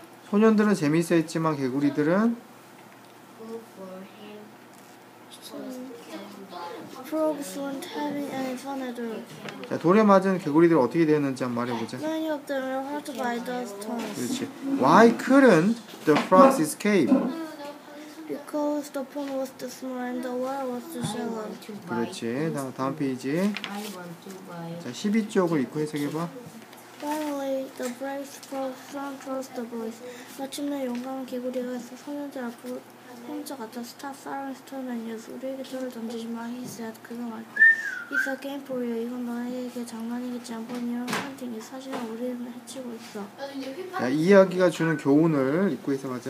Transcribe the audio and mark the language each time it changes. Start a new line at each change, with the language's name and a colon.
Korean: 소년들은 재미있어 했지만 개구리들은
English: Frogs weren't having any fun at all.
Korean: 자, 돌에 맞은 개구리들 어떻게 되었는지 한번 말해보자.
English: Many of them were hurt by the stones.
Korean: 그렇지.
English: Why couldn't the frogs escape? Because the pond was too small and the water was too shallow.
Korean: 그렇지. 다음 페이지. 자, 12쪽을 읽고 해석해봐.
English: Finally, the brave frogs swam towards the boys.
Korean: 마침내 용감한 개구리가 있어 소년들 앞으로 혼자 갔다.
English: Stop throwing stones at us.
Korean: 우리에게 돌을 던지지 마.
English: He said,
Korean: 그는 말했다.
English: It's a game for you.
Korean: 이건 너에게 장난이겠지. 한번 이런 헌팅이 사실 우리는 해치고 있어. 야, 이 이야기가 주는 교훈을 읽고 해석하자.